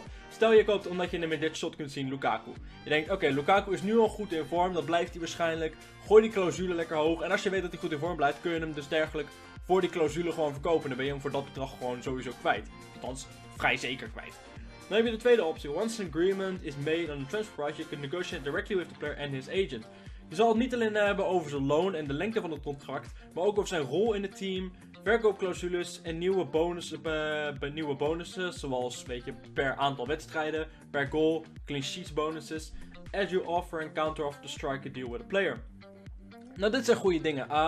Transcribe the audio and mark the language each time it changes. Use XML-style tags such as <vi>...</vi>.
<nl>Stel je koopt omdat je hem in dit shot kunt zien, Lukaku. Je denkt, Lukaku is nu al goed in vorm, dat blijft hij waarschijnlijk. Gooi die clausule lekker hoog. En als je weet dat hij goed in vorm blijft, kun je hem dus dergelijk voor die clausule gewoon verkopen. Dan ben je hem voor dat bedrag gewoon sowieso kwijt. Althans, vrij zeker kwijt. Dan heb je de tweede optie.</nl> <en>Once an agreement is made on the transfer price, you can negotiate directly with the player and his agent.</en> <nl>Je zal het niet alleen hebben over zijn loon en de lengte van het contract, maar ook over zijn rol in het team, verkoopclausules en nieuwe bonussen, zoals weet je, per aantal wedstrijden, per goal, clean sheets bonuses,</nl> <en>as you offer and counter offer to strike a deal with a player.</en> <nl>Nou, dit zijn goede dingen.</nl>